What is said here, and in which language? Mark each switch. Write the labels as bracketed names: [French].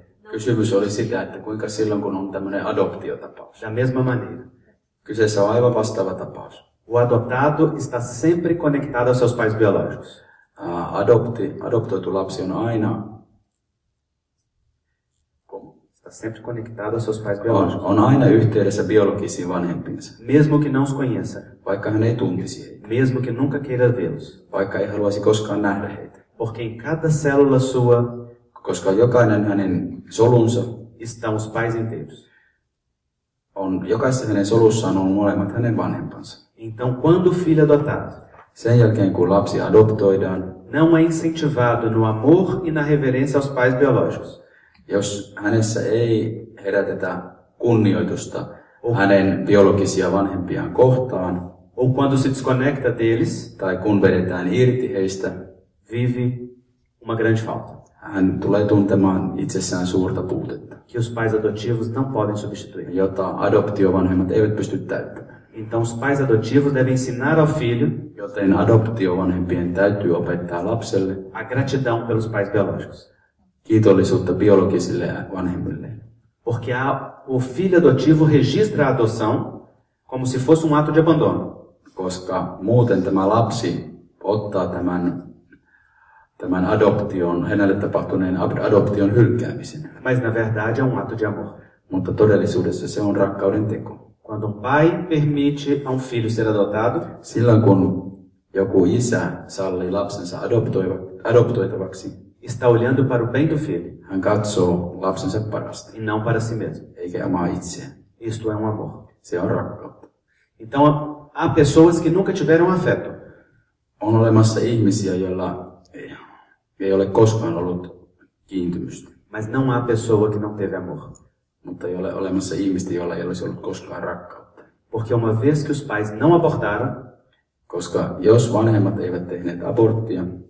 [Finnish] Kysymys oli sitä, että kuinka silloin, kun on tämmöinen adoptiotapaus. [Portuguese] Da mesma maneira. [Finnish] Kyseessä on aivan vastaava tapaus. [Portuguese] O adoptado está sempre conectado aos seus pais biológicos. [Finnish] Adoptoitu lapsi on aina. [Portuguese] Como? Está sempre conectado aos seus pais biológicos. [Finnish] On aina yhteydessä biologisiin vanhempiinsa. [Portuguese] Mesmo que não os conheça. [Finnish] Vaikka hän ei tuntisi heitä. [Portuguese] Mesmo que nunca queira vê-los. [Finnish] Vaikka ei haluaisi koskaan nähdä heitä. [Portuguese] Porque em cada célula sua. [Finnish] Koska jokainen hänen solunsa. [Portuguese] Estão os pais inteiros. [Finnish] On jokaisessa hänen solussaan on molemmat hänen vanhempansa. [Portuguese] Então, quando o filho é adotado, [Finnish] sen jälkeen, kun lapsi adoptoidaan, [Portuguese] não é incentivado no amor e na reverência aos pais biológicos. [Finnish] Jos hänessä ei herätetä kunnioitusta hänen biologisia vanhempiaan kohtaan, [Portuguese] ou quando se desconecta deles, [Finnish] tai kun vedetään irti heistä, [Portuguese] vive uma grande falta. [Finnish] Hän tulee tuntemaan itsessään suurta puutetta, [Portuguese] que os pais adotivos não podem substituir. [Finnish] Jota adoptiovanhemmat eivät pysty täyttämään. [Portuguese] Então os pais adotivos devem ensinar ao filho, [Finnish] joten adoptiovanhempien täytyy opettaa lapselle, [Portuguese] a gratidão pelos pais biológicos. [Finnish] Kiitollisuutta biologisille vanhemmille. [Portuguese] Porque o filho adotivo registra a adoção como se fosse ato de abandono. [Finnish] Koska muuten tämä lapsi ottaa tämän adoption, hänelle tapahtuneen adoption hylkäämisen. [Portuguese] Mas na verdade é ato de amor. [Finnish] Mutta todellisuudessa se on rakkauden teko. [Portuguese] Quando pai permite a filho ser adotado, [Finnish] silloin kun joku isä salli lapsensa adoptoitavaksi, [Portuguese] está olhando para o bem do filho. [Finnish] Hän katsoo lapsensa parasta. [Portuguese] E não para si mesmo. [Finnish] Eikä omaa itseään. [Portuguese] Isto é amor. [Finnish] Se on rakkautta. [Portuguese] Então, há pessoas que nunca tiveram afeto. [Finnish] On olemassa ihmisiä, joilla ei ole koskaan ollut kiintymystä. [Portuguese] Mas não há pessoa que não teve amor. [Finnish] Mutta ei ole olemassa ihmistä, jolla ei olisi ollut koskaan rakkautta. [Portuguese] Porque uma vez que os pais não abortaram, [Finnish] koska jos vanhemmat eivät tehneet aborttia,